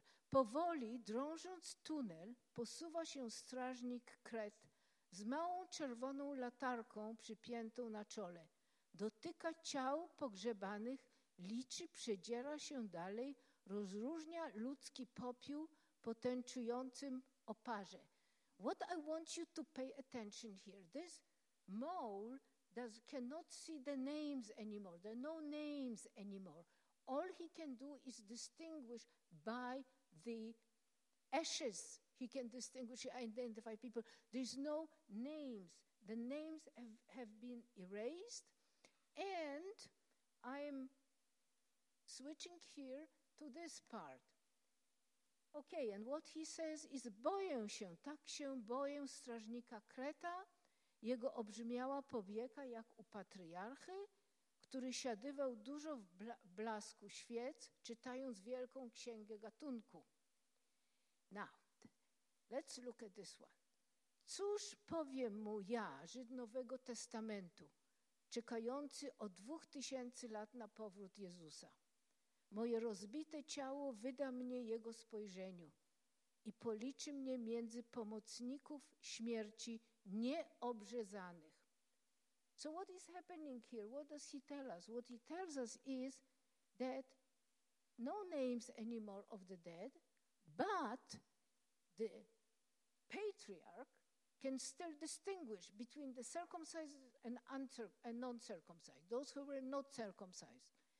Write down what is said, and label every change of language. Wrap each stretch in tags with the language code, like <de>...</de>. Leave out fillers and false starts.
<pl>Powoli, drążąc tunel, posuwa się strażnik Kret z małą czerwoną latarką przypiętą na czole. Dotyka ciał pogrzebanych, liczy, przedziera się dalej, rozróżnia ludzki popiół po tęczującym oparze.</pl> <en>What I want you to pay attention here, this mole cannot see the names anymore, there are no names anymore. All he can do is distinguish by the ashes. He can distinguish, identify people. There's no names. The names have been erased. And I'm switching here to this part. Okay, and what he says is,</en> <pl>boję się, tak się boję strażnika Kreta, jego obrzmiała powieka jak u patriarchy, który siadywał dużo w blasku świec, czytając wielką księgę gatunku.</pl> <en>Now, let's look at this one.</en> <pl>Cóż powiem mu ja, Żyd Nowego Testamentu, czekający od 2000 lat na powrót Jezusa? Moje rozbite ciało wyda mnie jego spojrzeniu i policzy mnie między pomocników śmierci nieobrzezanych.</pl> <en>So what is happening here? What does he tell us? What he tells us is that no names anymore of the dead, but the patriarch can still distinguish between the circumcised and non-circumcised, those who were not circumcised.</en>